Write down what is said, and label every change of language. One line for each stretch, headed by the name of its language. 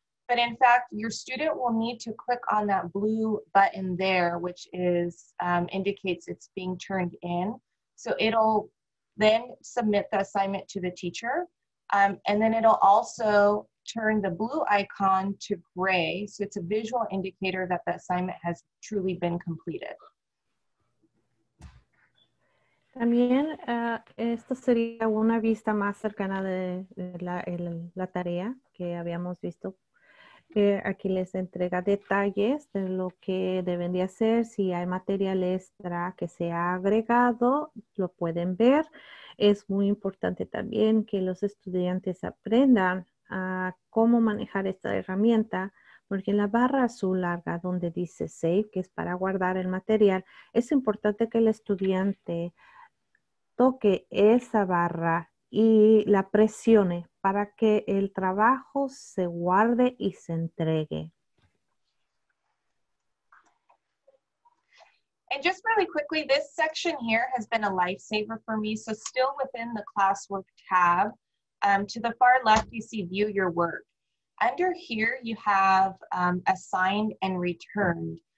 English: But in fact, your student will need to click on that blue button there, which is indicates it's being turned in. So it'll then submit the assignment to the teacher. And then it'll also turn the blue icon to gray. So it's a visual indicator that the assignment has truly been completed.
Spanish: También esto sería una vista más cercana de la tarea que habíamos visto. Aquí les entrega detalles de lo que deben de hacer. Si hay material extra que se ha agregado, lo pueden ver. Es muy importante también que los estudiantes aprendan a cómo manejar esta herramienta, porque en la barra azul larga donde dice Save, que es para guardar el material, es importante que el estudiante toque esa barra y la presione para que el trabajo se guarde y se entregue.
English: And just really quickly, this section here has been a lifesaver for me. So still within the classwork tab, to the far left, you see view your work. Under here, you have assigned and returned.